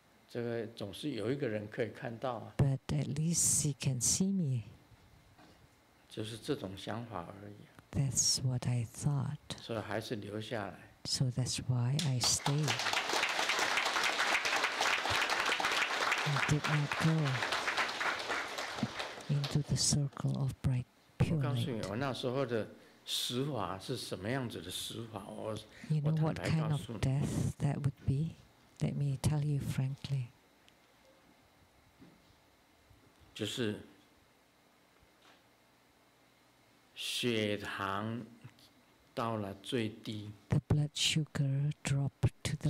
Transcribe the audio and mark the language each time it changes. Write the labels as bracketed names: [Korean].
[Chinese] 这个总是有一个人可以看到啊, [English] but at least he can see me. [Chinese] 就是这种想法而已, [English] that's what I thought. [Chinese] 所以还是留下来, [English] so that's why I stayed. I did not go into the circle of bright pure light. [Chinese] 我告诉你我那时候的死法是什么样子的死法, 我, [English] you know what kind of death that would be? Let me tell you frankly. [Chinese] 就是血糖到了最低, [English] the blood sugar dropped to the lowest,